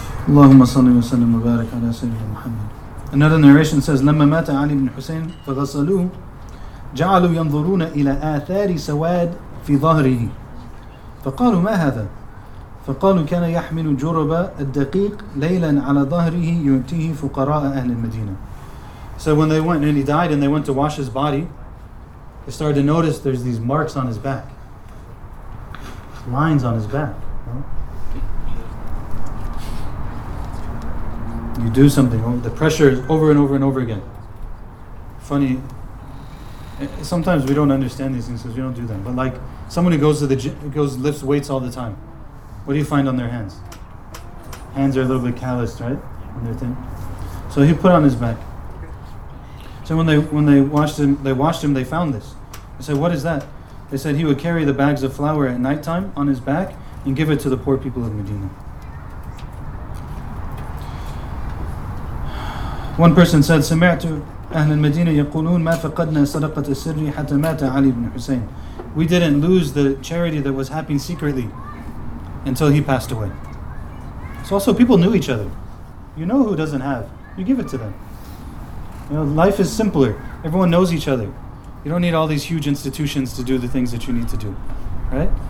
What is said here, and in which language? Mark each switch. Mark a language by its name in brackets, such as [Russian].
[Arabic] اللهم صل وسلم وبارك على سيدنا محمد. [English] Another narration says, [Arabic] لما مات علي بن حسين فغسلوه جعلوا ينظرون إلى آثار سواد في ظهره فقالوا ما هذا فقالوا كان يحمل جرب الدقيق ليلا على ظهره يؤتيه فقراء أهل المدينة. [English] So when they went and he died and they went to wash his body, they started to notice there's these marks on his back, lines on his back. You do something, the pressure is over and over and over again. Funny, sometimes we don't understand these things because we don't do them. But like someone who goes to the gym, goes lifts weights all the time, what do you find on their hands? Hands are a little bit calloused, right? When they're thin. So he put on his back. So when they washed him, they found this. They said, what is that? They said he would carry the bags of flour at nighttime on his back and give it to the poor people of Medina. One person said, [Arabic] سمعت أهل المدينة يقولون ما فقدنا صدقة السر حتى مات علي بن حسين. [English] We didn't lose the charity that was happening secretly until he passed away. So also people knew each other. You know who doesn't have. You give it to them. You know, life is simpler. Everyone knows each other. You don't need all these huge institutions to do the things that you need to do. Right?